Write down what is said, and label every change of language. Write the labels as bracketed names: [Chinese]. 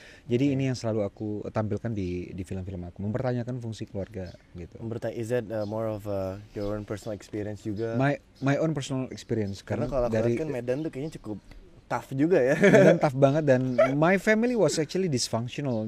[Indonesian] Jadi okay. Ini yang selalu aku tampilkan di film-film aku, mempertanyakan fungsi keluarga gitu. [English] Is that more of your own personal experience [Indonesian] juga? [English] My own personal experience. [Indonesian] Karena kalau aku dari, kan Medan tuh kayaknya cukup tough juga ya. [English] Medan tough [Indonesian] banget dan [English] my family was actually dysfunctional.